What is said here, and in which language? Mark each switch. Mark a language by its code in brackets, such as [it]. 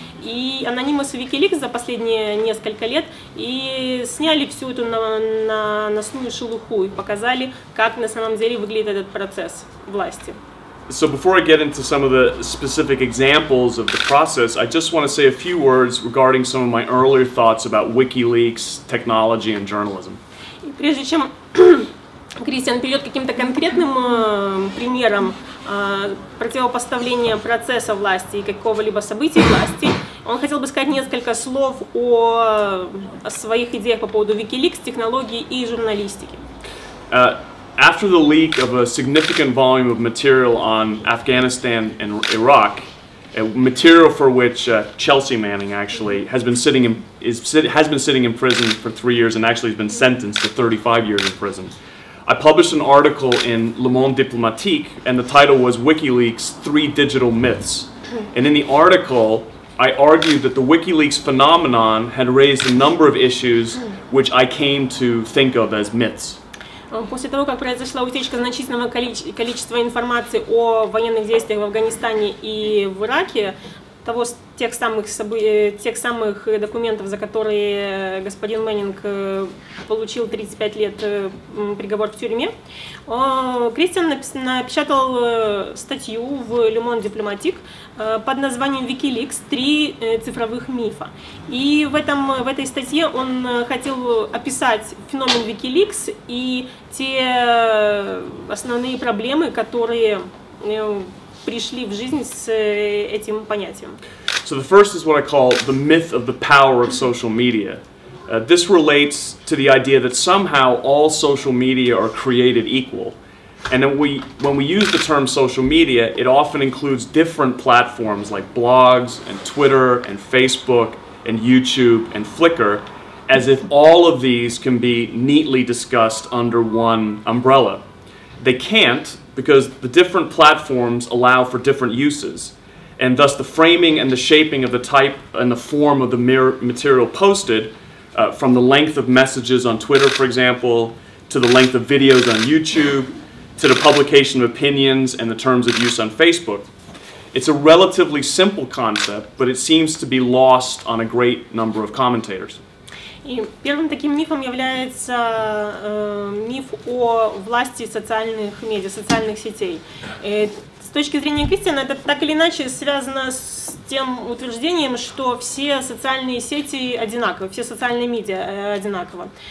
[ru] И Anonymous и WikiLeaks за последние несколько лет и сняли всю эту новостную шелуху и показали, как на самом деле выглядит этот процесс власти. [en] So before I get into some of the specific examples of the process, I just want to say a few words regarding some of my earlier thoughts about WikiLeaks, technology, and journalism. [ru] Прежде чем Кристиан перейдет к каким-то конкретным примерам противопоставления процесса власти и какого-либо события власти, он хотел бы сказать несколько слов о своих идеях по поводу WikiLeaks, технологии и журналистики. [en] After the leak of a significant volume of material on Afghanistan and Iraq, material for which Chelsea Manning actually has been sitting in prison for 3 years and actually has been sentenced to 35 years in prison, I published an article in Le Monde Diplomatique, and the title was WikiLeaks: Three Digital Myths. And in the article, I argued that the WikiLeaks phenomenon had raised a number of issues which I came to think of as myths. [ru] После того, как произошла утечка значительного количества информации о военных действиях в Афганистане и в Ираке, тех самых документов, за которые господин Мэннинг получил 35 лет приговор в тюрьме, Кристиан напечатал статью в Le Monde Diplomatique под названием «WikiLeaks. Три цифровых мифа». И в этой статье он хотел описать феномен WikiLeaks и те основные проблемы, которые пришли в жизнь с этим понятием. [en] So the first is what I call the myth of the power of social media. This relates to the idea that somehow all social media are created equal. And then when we use the term social media, it often includes different platforms like blogs and Twitter and Facebook and YouTube and Flickr, as if all of these can be neatly discussed under one umbrella. They can't, because the different platforms allow for different uses, and thus the framing and the shaping of the type and the form of the material posted, from the length of messages on Twitter, for example, to the length of videos on YouTube, to the publication of opinions and the terms of use on Facebook. It's a relatively simple concept, but it seems to be lost on a great number of commentators. [ru] И первым таким мифом является миф о власти социальных медиа, социальных сетей. С точки зрения Кристиана, это так или иначе связано с тем утверждением, что все социальные сети одинаковы, все социальные медиа одинаковы.